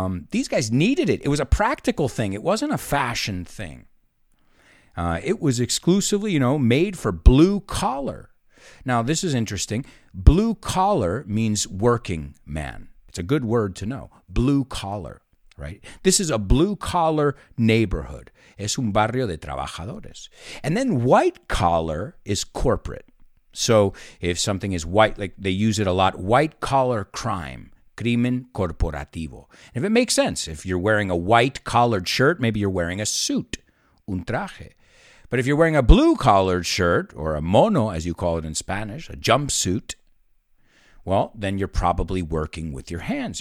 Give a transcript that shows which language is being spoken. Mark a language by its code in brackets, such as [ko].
[en] These guys needed it. It was a practical thing. It wasn't a fashion thing. It was exclusively, you know, made for blue collar. Now, this is interesting. Blue collar means working man. It's a good word to know. Blue collar, right? This is a blue collar neighborhood. [es] Es un barrio de trabajadores. [en] And then white collar is corporate. So if something is white, like they use it a lot, white collar crime. [es] Crimen corporativo. [en] If it makes sense, if you're wearing a white collared shirt, maybe you're wearing a suit, [es] un traje. [en] But if you're wearing a blue collared shirt, or a mono, as you call it in Spanish, a jumpsuit, well, then you're probably working with your hands.